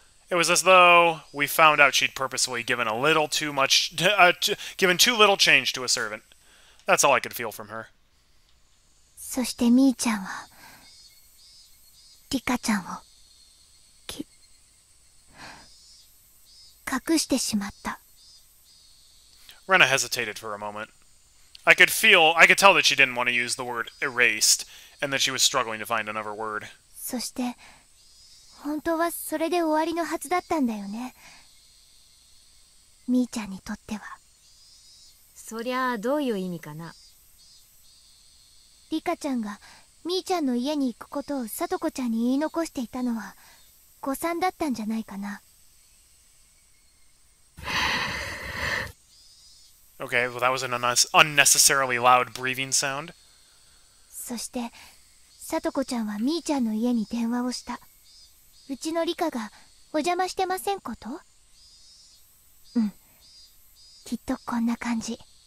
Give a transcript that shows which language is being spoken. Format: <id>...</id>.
<en>It was as though we found out she'd purposely given a little too much, given too little change to a servant. That's all I could feel from her.</en> <ja>そしてみーちゃんは、リカちゃんを、隠してしまった。</ja> <en>Rena hesitated for a moment. I could tell that she didn't want to use the word erased, and that she was struggling to find another word.</en> <ja>そして、本当はそれで終わりのはずだったんだよね。みーちゃんにとっては。そりゃあどういう意味かな。リカちゃんがみーちゃんの家に行くことをさとこちゃんに言い残していたのは、誤算だったんじゃないかな。</ja> <en>Okay, well that was an unnecessarily loud breathing sound.</en> <ja>そして、さとこちゃんはみーちゃんの家に電話をした。うちのリカがお邪魔してませんこと? うん。きっとこんな感じ。</ja>